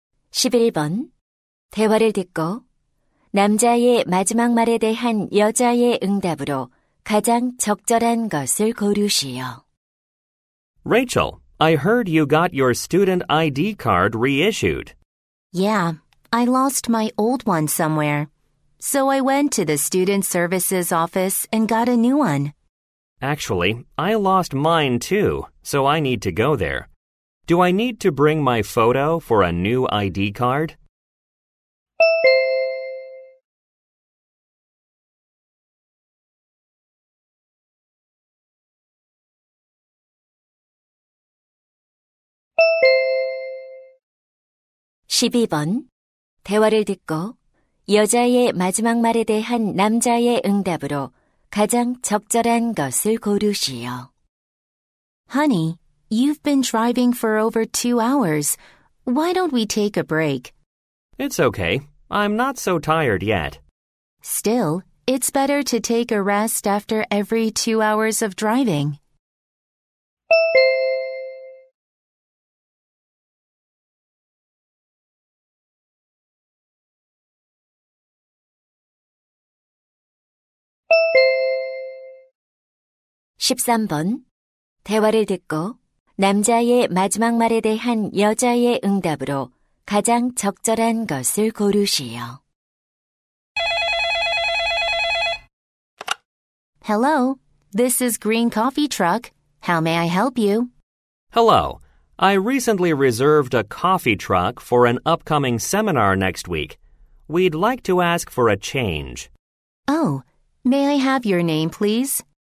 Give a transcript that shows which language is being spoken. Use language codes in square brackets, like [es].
[ko] (11번) 대화를 듣고 남자의 마지막 말에 대한 여자의 응답으로 가장 적절한 것을 고르시오. [en] Rachel, I heard you got your student ID card reissued. Yeah, I lost my old one somewhere. So I went to the student services office and got a new one. Actually, I lost mine too, so I need to go there. Do I need to bring my photo for a new ID card? [ko] 12번 대화를 듣고 여자의 마지막 말에 대한 남자의 응답으로 가장 적절한 것을 고르시오. [en] Honey, you've been driving for over 2 hours. Why don't we take a break? It's okay. I'm not so tired yet. Still, it's better to take a rest after every 2 hours of driving. [ko] 13번 대화를 듣고 남자의 마지막 말에 대한 여자의 응답으로 가장 적절한 것을 고르시오. [en] Hello, this is Green Coffee Truck. How may I help you? Hello, I recently reserved a coffee truck for an upcoming seminar next week. We'd like to ask for a change. Oh, may I have your name, please?